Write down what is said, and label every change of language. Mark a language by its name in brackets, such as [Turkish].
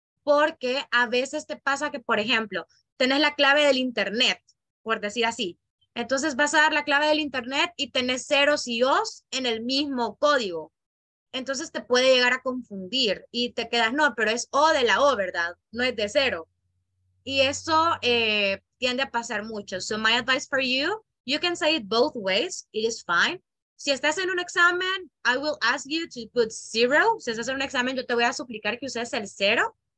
[Spanish] Porque a veces te pasa que, por ejemplo, tenés la clave del internet, por decir así. Entonces vas a dar la clave del internet y tenés ceros y os en el mismo código. entonces te puede llegar a confundir y te quedas, no, pero es O de la O, ¿verdad? No es de cero. Y eso tiende a pasar mucho. [English] So my advice for you, you can say it both ways. It is fine. [Spanish] Si estás en un examen, [English] I will ask you to put zero. [Spanish] Si estás en un examen, yo te voy a suplicar que uses el cero.